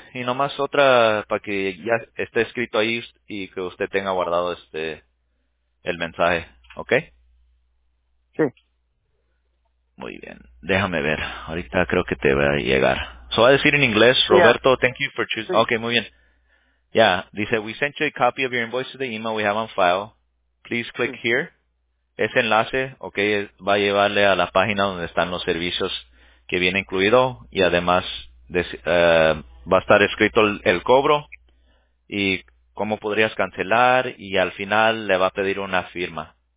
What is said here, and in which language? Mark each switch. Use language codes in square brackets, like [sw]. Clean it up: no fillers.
[es] Y nomás otra para que ya esté escrito ahí y que usted tenga guardado el mensaje. ¿Ok? Sí. Muy bien. Déjame ver. Ahorita creo que te va a llegar. [en] So, [es] va a decir en inglés, Roberto, [en] yeah. Thank you for choosing. [es] Sí. [en] Okay, [es] muy bien. [en] Yeah, [es] dice, [en] we sent you a copy of your invoice to the email we have on file. Please click here. [es] Ese enlace, [en] okay, [es] va a llevarle a la página donde están los servicios que viene incluido y además va a estar escrito el cobro y cómo podrías cancelar y al final le va a pedir una firma.